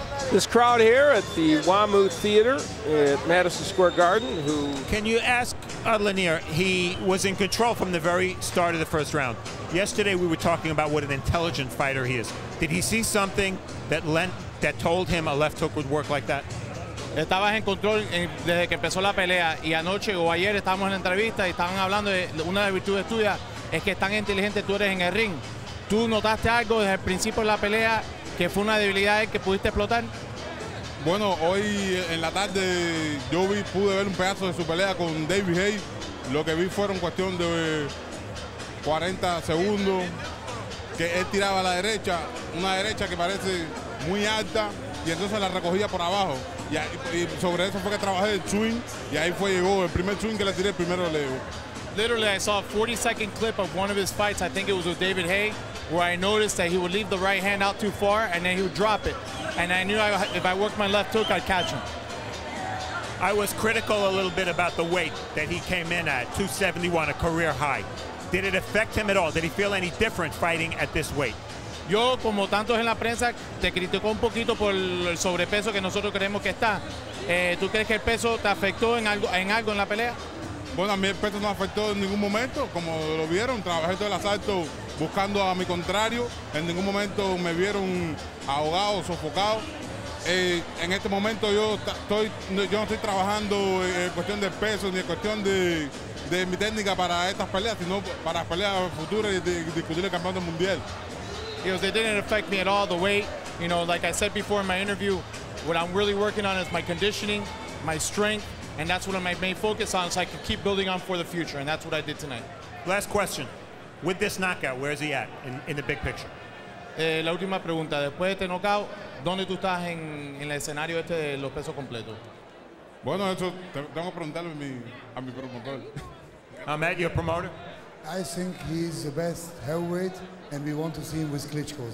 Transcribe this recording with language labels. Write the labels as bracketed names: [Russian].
[English] This crowd here at the WAMU Theater at Madison Square Garden, who. Can you ask Odlanier? He was in control from the very start of the first round. Yesterday we were talking about what an intelligent fighter he is. Did he see something that told him a left hook would work like that? [Spanish] Estabas en control desde que empezó la pelea y anoche o ayer estábamos en la entrevista y estaban hablando de una de las virtudes tuyas es que tan inteligente tú eres en el ring. ¿Tú notaste algo desde el principio de la pelea que fue una debilidad que pudiste explotar? Bueno, hoy en la tarde yo vi pude ver un pedazo de su pelea con David Hay. Lo que vi fueron cuestión de 40 segundos que él tiraba a la derecha, una derecha que parece muy alta y entonces la recogía por abajo. Y sobre eso fue que trabajé el swing y ahí fue llegó el primer swing que le tiré primero le digo. [English] Literally I saw a 40 second clip of one of his fights, I think it was with David Hay, where I noticed that he would leave the right hand out too far and then he would drop it. And I knew if I worked my left hook, I'd catch him. I was critical a little bit about the weight that he came in at, 271, a career high. Did it affect him at all? Did he feel any different fighting at this weight? [Spanish] Yo, como tantos en la prensa, te criticó un poquito por el sobrepeso que nosotros creemos que está. ¿Tú crees que el peso te afectó en algo en la pelea? Bueno, a mí el peso no afectó en ningún momento. Como lo vieron, trabajé todo el asalto buscando a mi contrario. En ningún momento me vieron ahogado, sofocado. En este momento yo no estoy trabajando en cuestión de peso ni en cuestión de mi técnica para estas peleas, sino para peleas futuras y discutir el campeonato mundial. [English] It didn't affect me at all, the weight. You know, like I said before in my interview, what I'm really working on is my conditioning, my strength, and that's what I'm my main focus on, so I can keep building on for the future, and that's what I did tonight. Last question. With this knockout, where is he at in the big picture? [Spanish] La última pregunta. Después de este knockout, ¿dónde tú estás en el escenario este de los pesos completos? Bueno, eso tengo que preguntarle a mi promotor. [English] I'm at your promoter. I think he's the best heavyweight, and we want to see him with Klitschko.